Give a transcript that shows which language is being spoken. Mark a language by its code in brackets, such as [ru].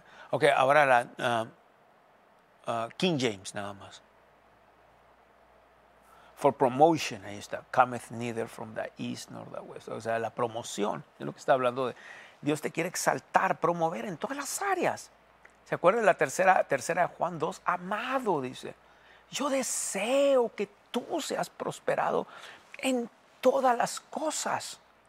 [es] Okay, ahora la King James nada más. [en] For promotion, [es] ahí está. [en] Cometh neither from the east nor the west. [es] O sea, la promoción es lo que está hablando de. Dios te quiere exaltar, promover en todas las áreas. ¿Se acuerdan de la tercera de Juan 2? Amado, dice, yo deseo que tú seas prosperado en todas las cosas.